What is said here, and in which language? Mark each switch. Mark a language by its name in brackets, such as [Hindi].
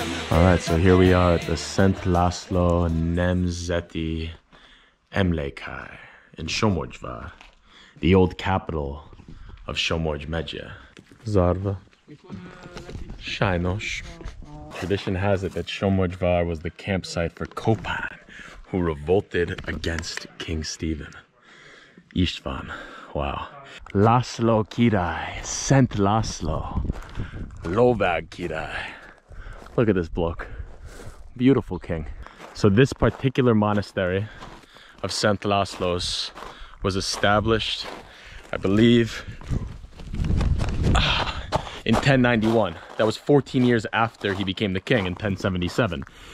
[English] Alright, so here we are at the Szent László Nemzeti Emlékhely in Somogyvár, the old capital of Somogy Megye. [Hungarian] Zárva. Sajnos. [English] Tradition has it that Somogyvár was the campsite for Kopan, who revolted against King Stephen. István. Wow. [Hungarian] László király, Szent László, Lovag király. [English] Look at this bloke. Beautiful king. So this particular monastery of Szent László's was established, I believe, in 1091. That was 14 years after he became the king in 1077.